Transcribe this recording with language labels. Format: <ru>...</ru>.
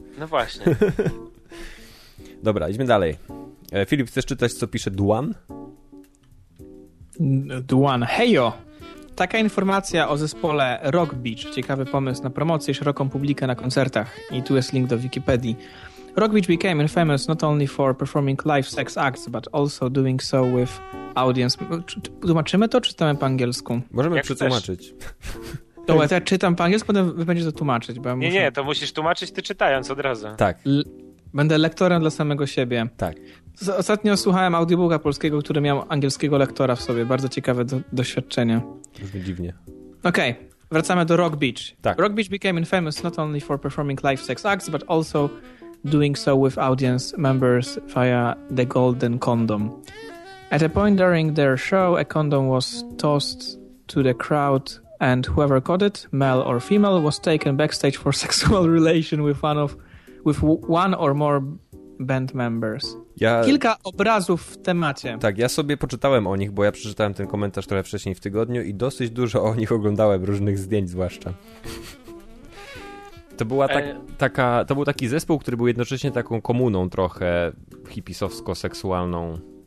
<pl>No właśnie. Dobra, idźmy dalej. Filip, chcesz czytać, co pisze Dwan? Dwan. Hejo! Taka informacja o zespole Rock Beach. Ciekawy pomysł na promocję i szeroką publikę na koncertach. I tu jest link do Wikipedii.</pl> <en>Rock Beach became infamous not only for performing live sex acts, but also doing so with audience.</en> <pl>Tłumaczymy to, czy czytamy po angielsku? Możemy jak przetłumaczyć. Dobra, to ja czytam po angielsku, potem wy będziecie to tłumaczyć. Bo ja nie, nie, to musisz tłumaczyć ty czytając od razu. Tak. Będę lektorem dla samego siebie. Tak. Ostatnio słuchałem audiobooka polskiego, który miał angielskiego lektora w sobie. Bardzo ciekawe doświadczenie. Brzmi dziwnie. Okej. Okay. Wracamy do Rock Beach. Tak.</pl> <en>Rock Beach became infamous not only for performing live sex acts, but also doing so with audience members via the golden condom. At a point during their show, a condom was tossed to the crowd and whoever caught it, male or female, was taken backstage for sexual relation with one or more band members.</en> <pl>Ja... Kilka obrazów w temacie. Tak, ja sobie poczytałem o nich, bo ja przeczytałem ten komentarz trochę wcześniej w tygodniu i dosyć dużo o nich oglądałem, różnych zdjęć zwłaszcza. To była to był taki zespół, który był jednocześnie taką komuną trochę hipisowsko-seksualną.</pl>